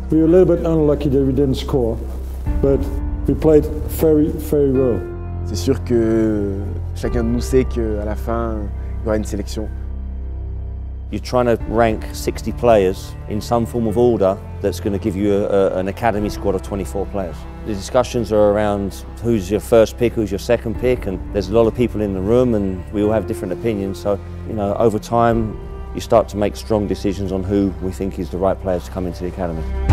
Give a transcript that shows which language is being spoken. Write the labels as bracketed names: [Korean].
[English] We were a little bit unlucky that we didn't score, but we played very, very well. [French] C'est sûr que chacun de nous sait qu'à la fin, il y aura une sélection. [English] You're trying to rank 60 players in some form of order that's going to give you an academy squad of 24 players. The discussions are around who's your first pick, who's your second pick, and there's a lot of people in the room and we all have different opinions. So, you know, over time, you start to make strong decisions on who we think is the right players to come into the academy.